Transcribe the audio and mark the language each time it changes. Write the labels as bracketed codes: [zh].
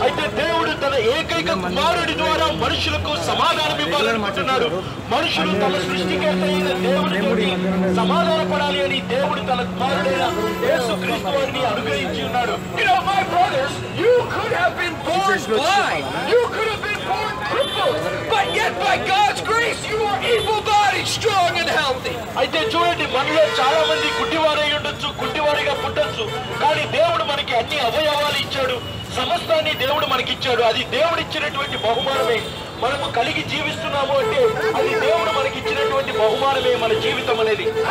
[te] అయితే దేవుడు తన ఏకైక కుమారుడి ద్వారా మనుషులకు సమాధానం ఇవ్వాలనుకుంటున్నాడు. మనుషులు తన సృష్టికర్త అయిన దేవుడి సమాధానపడాలి అని దేవుడు తన కుమారుడైన యేసు క్రీస్తు వారిని అనుగ్రహించి ఉన్నాడు. [en] You know, my brothers, you could have been born blind. You could have been born crippled. But yet by God's grace, you are able bodied, strong and healthy. [te] అయితే చూడండి, మనలో చాలా మంది గుడ్డివారై ఉండొచ్చు, గుడ్డివారిగా పుట్టొచ్చు, కానీ దేవుడు మనకి అన్ని అవయవాలు ఇచ్చాడు, సమస్తాన్ని దేవుడు మనకిచ్చాడు. అది దేవుడిచ్చినటువంటి బహుమానమే. మనము కలిగి జీవిస్తున్నాము అంటే అది దేవుడు మనకిచ్చినటువంటి బహుమానమే మన జీవితం అనేది.